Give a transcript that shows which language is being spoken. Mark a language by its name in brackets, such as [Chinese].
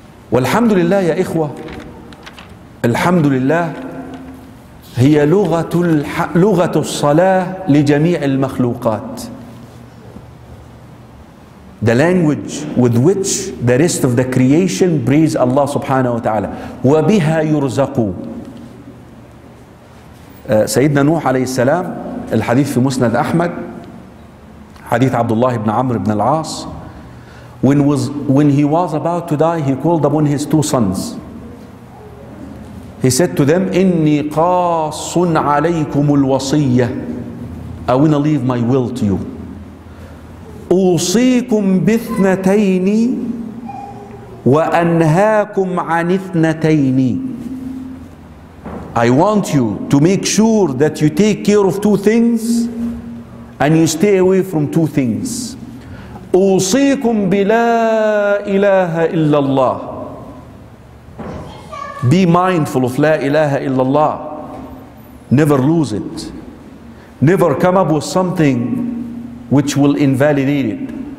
[Arabic] والحمد لله يا إخوة, الحمد لله هي لغة الصلاة لجميع المخلوقات. [English] the language with which the rest of the creation praise Allah subhanahu wa ta'ala. [Arabic] وَبِهَا يُرْزَقُوا سيدنا نوح عليه السلام الحديث في مسند أحمد حديث عبد الله بن عمرو بن العاص [English] when he was about to die he called upon his two sons he said to them [Arabic] إني قاص عليكم الوصية [English] I wanna leave my will to you [Arabic] أوصيكم باثنتين وأنهاكم عن اثنتين [English] I want you to make sure that you take care of two things and you stay away from two things. [Arabic] أوصيكم بلا إله إلا الله. [English] Be mindful of [Arabic] لا إله إلا الله. [English] Never lose it. Never come up with something which will invalidate it.